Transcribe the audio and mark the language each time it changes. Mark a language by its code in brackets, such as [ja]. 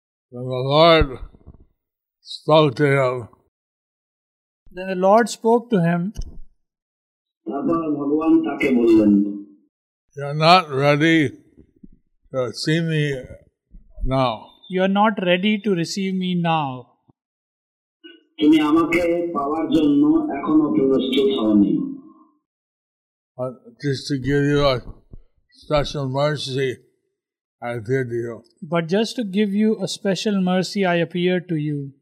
[en] Then the Lord spoke to him. Then the Lord spoke to him. You are not ready to see me now. You are not ready to receive me now. [bn] তুমি আমাকে পাওয়ার জন্য এখনো প্রস্তুত হওনি। [en] Just to give you a special mercy, I appear to you. But just to give you a special mercy, I appear to you.